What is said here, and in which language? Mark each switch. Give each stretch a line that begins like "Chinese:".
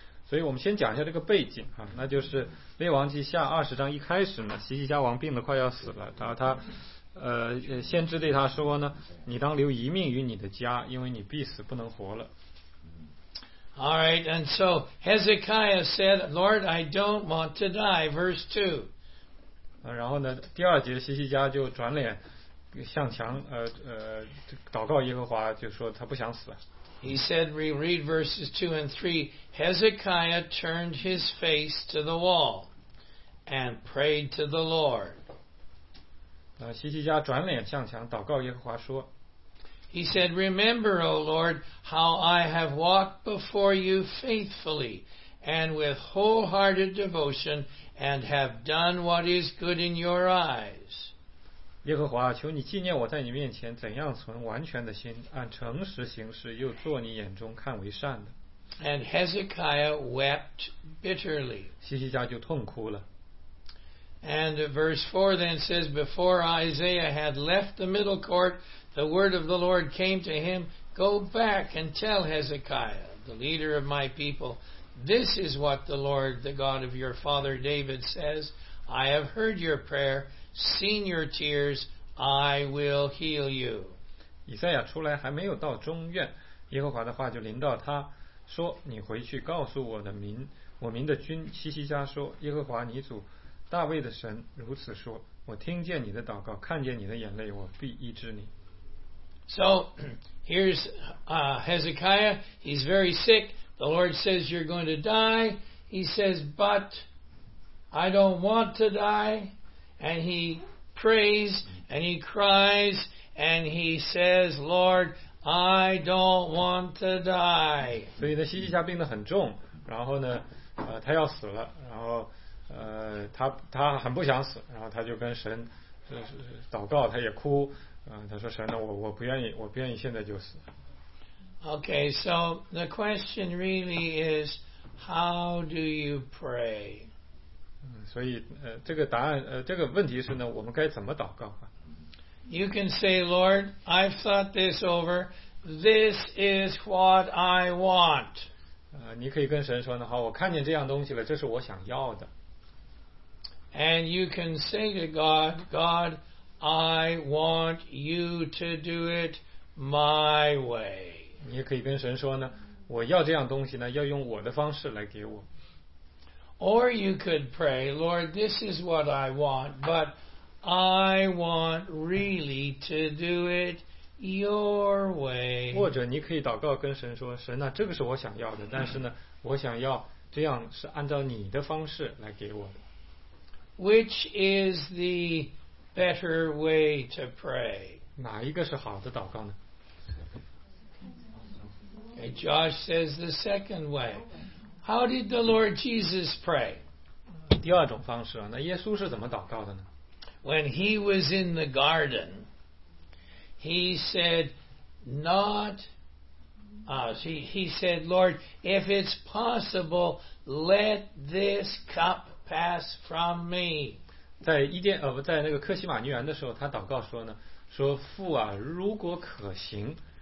Chinese: 所以我们先讲一下这个背景啊，那就是列王记下二十章一开始呢，西西家王病得快要死了，然后他先知对他说呢，你当留一命于你的家，因为你必死不能活了。
English: All right, and so Hezekiah said, Lord, I don't want to die. Verse 2.
Chinese: 然后呢，第二节西西家就转脸向墙祷告耶和华，就说他不想死。
English: He said, we read verses 2 and 3. Hezekiah turned his face to the wall and prayed to the Lord.
Chinese: 西西家转脸向墙祷告耶和华说。
English: He said, remember, O Lord, how I have walked before you faithfully and with wholehearted devotion and have done what is good in your eyes.
Chinese: 耶和华，求你纪念我在你面前怎样存完全的心，按诚实行事，又做你眼中看为善的。
English: And Hezekiah wept bitterly.
Chinese: 西西家就痛哭了。
English: And verse 4 then says, before Isaiah had left the middle court, the word of the Lord came to him, go back and tell Hezekiah, the leader of my people, this is what the Lord, the God of your father David says, I have heard your prayer, seen your tears, I will heal you.
Chinese: 以赛亚出来还没有到中院，耶和华的话就临到他，说你回去告诉我的民，我民的君西西家说，耶和华你主大卫的神如此说，我听见你的祷告，看见你的眼泪，我必医治你。
English: So here's Hezekiah. He's very sick. The Lord says you're going to die. He says, but I don't want to die. And he prays and he cries and he says, Lord, I don't want to die.
Chinese: 所以呢，西西家病得很重，然后呢，他要死了，然后。他很不想死，然后他就跟神祷告，他也哭，他说神呢，我不愿意现在就死。
English: Okay, so the question really is, how do you pray?
Chinese: 所以这个答案这个问题是呢，我们该怎么祷告啊？
English: You can say, Lord, I've thought this over. This is what I want.
Chinese: 你可以跟神说呢，好，我看见这样东西了，这是我想要的。
English: And you can say to God, God, I want you to do it my way.
Chinese: 你可以跟神说呢，我要这样东西呢，要用我的方式来给我。
English: Or you could pray, Lord, this is what I want, but I want really to do it your way.
Chinese: 或者你可以祷告跟神说，神啊，这个是我想要的，但是呢，我想要这样是按照你的方式来给我的。
English: Which is the better way to pray?
Chinese: 哪一个是好的祷告呢？
English: Okay, Josh says the second way. How did the Lord Jesus pray?
Chinese: 第二种方式啊，那耶稣是怎么祷告的呢？
English: when he was in the garden, he said, he said, Lord, if it's possible, let this cup pass from me.
Chinese: 在科西马尼园的时候，他祷告说呢，说父啊，如果可行。